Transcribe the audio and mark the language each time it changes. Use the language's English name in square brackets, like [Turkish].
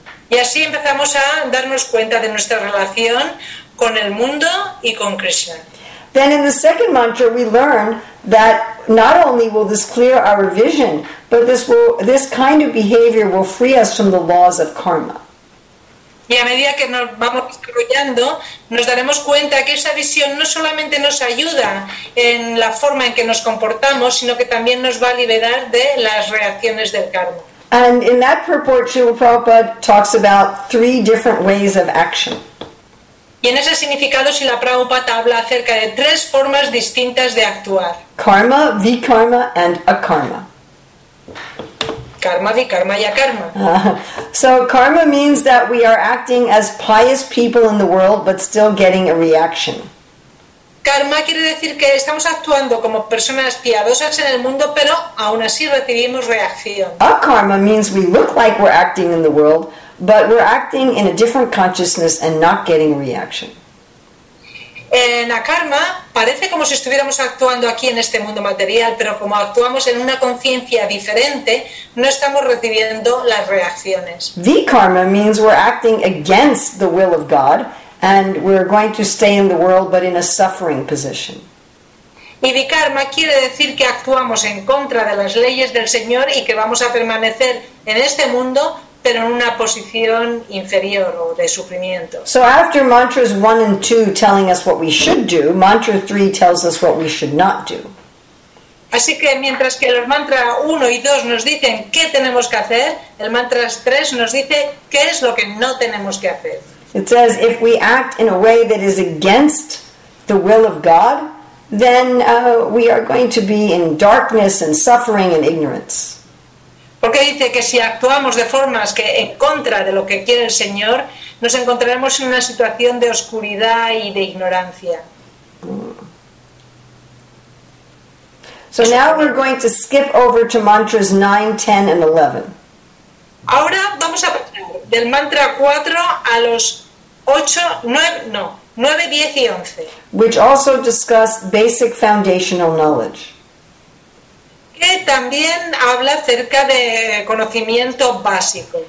[Spanish] Y así empezamos a darnos cuenta de nuestra relación con el mundo y con Krishna. [English] Then in the second mantra we learn that not only will this clear our vision, but this kind of behavior will free us from the laws of karma. [Spanish] Y a medida que nos vamos desarrollando, nos daremos cuenta que esa visión no solamente nos ayuda en la forma en que nos comportamos, sino que también nos va a liberar de las reacciones del karma. [English] And in that purport, Srila Prabhupada talks about three different ways of action. [Spanish] Y en ese significado, Srila Prabhupada habla acerca de tres formas distintas de actuar. [English] Karma, vikarma, and akarma. [Spanish] Karma, vikarma, y akarma. [English] So karma means that we are acting as pious people in the world, but still getting a reaction. [Spanish] Karma quiere decir que estamos actuando como personas piadosas en el mundo, pero aún así recibimos reacción. [English] Akarma means we look like we're acting in the world, but we're acting in a different consciousness and not getting reaction. [Spanish] En akarma parece como si estuviéramos actuando aquí en este mundo material, pero como actuamos en una conciencia diferente, no estamos recibiendo las reacciones. [English] Vikarma means we're acting against the will of God, and we're going to stay in the world, but in a suffering position. [Spanish] Y vikarma quiere decir que actuamos en contra de las leyes del Señor y que vamos a permanecer en este mundo, pero en una posición inferior o de sufrimiento. [English] So after mantras 1 and 2 telling us what we should do, mantra 3 tells us what we should not do. [Spanish] Así que mientras que los mantras 1 y 2 nos dicen qué tenemos que hacer, el mantra 3 nos dice qué es lo que no tenemos que hacer. [English] It says, if we act in a way that is against the will of God, then we are going to be in darkness and suffering and ignorance. [Spanish] Porque dice que si actuamos de formas que en contra de lo que quiere el Señor, nos encontraremos en una situación de oscuridad y de ignorancia. [English] So now we're going to skip over to mantras 9, 10, and 11. [Spanish] Ahora vamos a pasar del mantra 4 a los 9, 10 y 11. [English] Which also discuss basic foundational knowledge. [Spanish] Que también habla acerca de conocimiento básico.